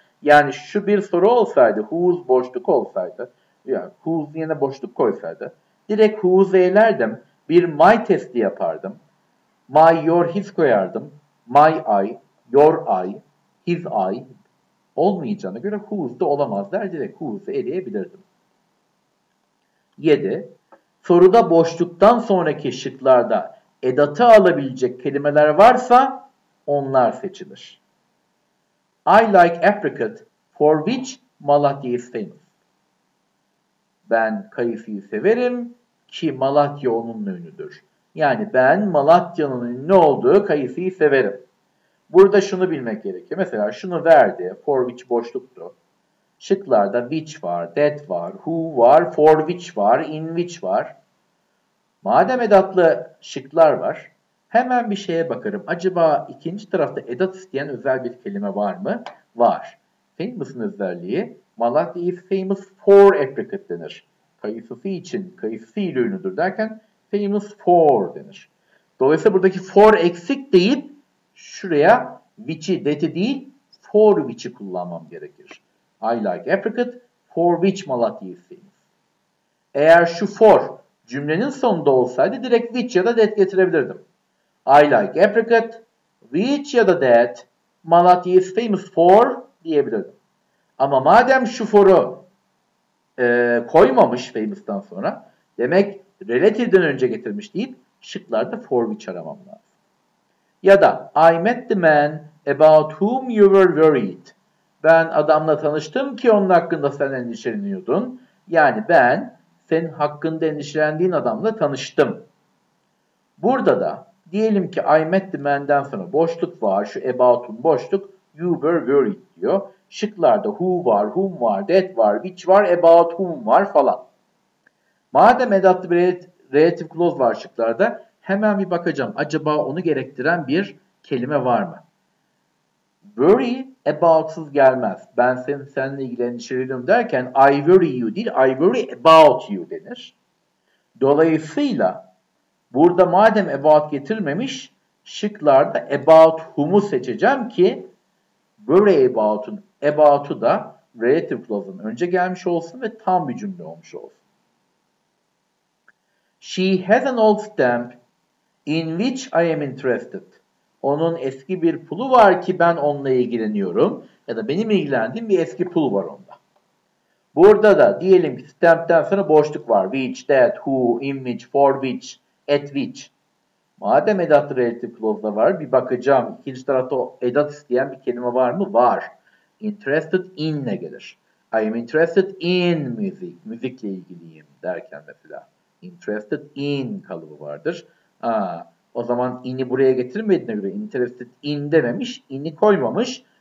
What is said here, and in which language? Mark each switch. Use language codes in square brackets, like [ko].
[tr] Yani şu bir soru olsaydı, whose boşluk olsaydı, yani whose yerine boşluk koysaydı, direkt whose eylerdim, bir my testi yapardım, my, your, his koyardım, my I, your I, his I olmayacağına göre whose da olamaz der, direkt whose eleyebilirdim. 7. Soruda boşluktan sonraki şıklarda edatı alabilecek kelimeler varsa onlar seçilir. [en] I like apricot for which Malatya is famous. [tr] Ben kayısıyı severim ki Malatya onun ünlüdür. Yani ben Malatya'nın ünlü olduğu kayısıyı severim. Burada şunu bilmek gerekiyor. Mesela şunu verdi. For which boşluktu. Şıklarda which var, that var, who var, for which var, in which var. Madem edatlı şıklar var. Hemen bir şeye bakarım. Acaba ikinci tarafta edat isteyen özel bir kelime var mı? Var. Famous'ın özelliği [en] Malatya is famous for apricot [tr] denir. Kayısısı için, kayısısı ile ünlüdür derken famous for denir. Dolayısıyla buradaki for eksik deyip şuraya which'i, that'i değil [en] for which'i [tr] kullanmam gerekir. [en] I like apricot for which Malatya isteyiniz. [tr] Eğer şu for cümlenin sonunda olsaydı direkt which ya da that getirebilirdim. [en] I like apricot which [tr] ya da [en] that Malatya is famous for [tr] diyebilirdim. Ama madem şu for'u koymamış famous'tan sonra demek relative'den önce getirmiş deyip şıklarda for which aramam lazım. Ya da [en] I met the man about whom you were worried. [tr] Ben adamla tanıştım ki onun hakkında sen endişeleniyordun. Yani ben senin hakkında endişelendiğin adamla tanıştım. Burada da diyelim ki I met the man'den sonra boşluk var. Şu about whom boşluk you were worried diyor. Şıklarda who var, whom var, that var, which var, about whom var falan. Madem edatlı bir relative clause var şıklarda hemen bir bakacağım. Acaba onu gerektiren bir kelime var mı? Worry about'sız gelmez. Ben seninle ilgili endişeliyim derken I worry you değil, [en] I worry about you [tr] denir. Dolayısıyla burada madem about getirmemiş, şıklarda about whom'u seçeceğim ki worry about'un about'u da relative clause'un önce gelmiş olsun ve tam bir cümle olmuş olsun. [en] She has an old stamp in which I am interested. [tr] Onun eski bir pulu var ki ben onunla ilgileniyorum. Ya da benim ilgilendiğim bir eski pul var onda. Burada da diyelim ki stamp'ten sonra boşluk var. Which, that, who, in which, for which, at which. Madem edat relative clause'da var bir bakacağım. İkinci tarafta edat isteyen bir kelime var mı? Var. [en] Interested in'le [tr] gelir. [en] I am interested in music. [tr] Müzikle ilgiliyim derken mesela. Interested in kalıbı vardır. O zaman in'i buraya getirmediğine göre interested in dememiş, in'i koymamış.